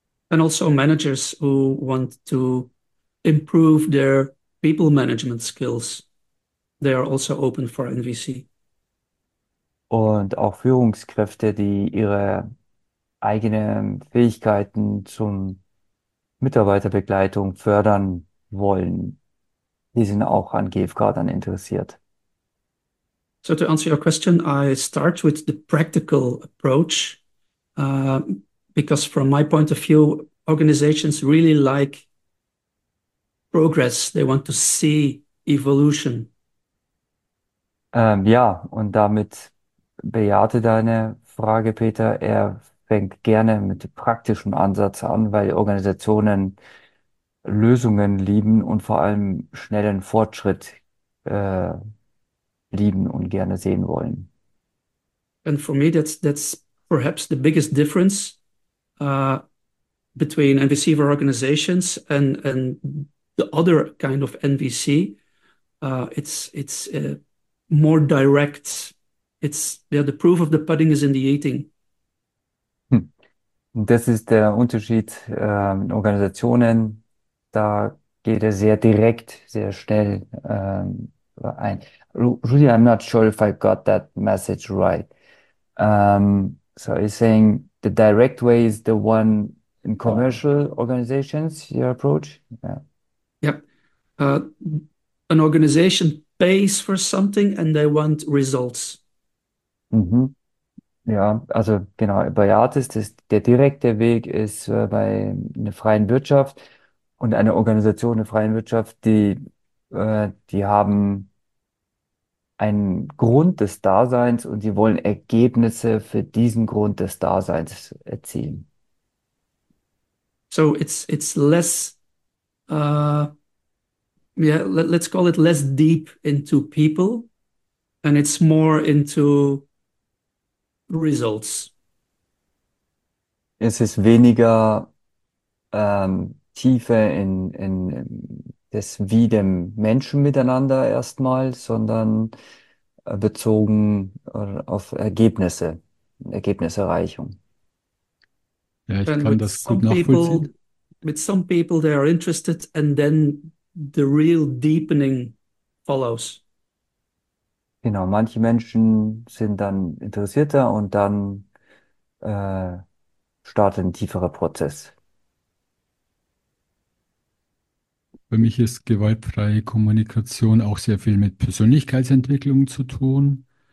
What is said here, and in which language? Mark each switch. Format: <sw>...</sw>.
<en>And also managers who want to improve their people management skills, they are also open for NVC.</en> <de>Und auch Führungskräfte, die ihre eigene Fähigkeiten zum Mitarbeiterbegleitung fördern wollen, die sind auch an GFK dann interessiert.</de> <en>So to answer your question, I start with the practical approach, because from my point of view, organizations really like progress. They want to see evolution.</en> <de>Ja, und damit bejahte deine Frage, Peter. Er fängt gerne mit praktischem Ansatz an, weil Organisationen Lösungen lieben und vor allem schnellen Fortschritt lieben und gerne sehen wollen.</de> <en>And for me, that's perhaps the biggest difference. between NVCV organizations and the other kind of NVC. It's more direct. The proof of the pudding is in the eating.</en> <de>Das ist der Unterschied in Organisationen. Da geht es sehr direkt, sehr schnell ein.</de> <en>Rudy, I'm not sure if I got that message right. So he's saying the direct way is the one in commercial organizations, your approach? Yeah. An organization pays for something and they want results.</en> <de>Ja, also genau, bei Artis, der direkte Weg ist bei einer freien Wirtschaft und einer Organisation der freien Wirtschaft, die haben einen Grund des Daseins und sie wollen Ergebnisse für diesen Grund des Daseins erzielen.</de> <en>So it's less let's call it less deep into people, and it's more into results.</en> <de>Es ist weniger Tiefe in das wie dem Menschen miteinander erstmal, sondern bezogen auf Ergebnisse, Ergebnisserreichung. Ja, ich</de> <en>And</en> <de>kann das gut nachvollziehen.</de> <en>with some people they are interested, and then the real deepening follows.</en> <de>Genau, manche Menschen sind dann interessierter und dann startet ein tieferer Prozess. Für mich ist gewaltfreie Kommunikation auch sehr viel mit Persönlichkeitsentwicklung zu tun.</de>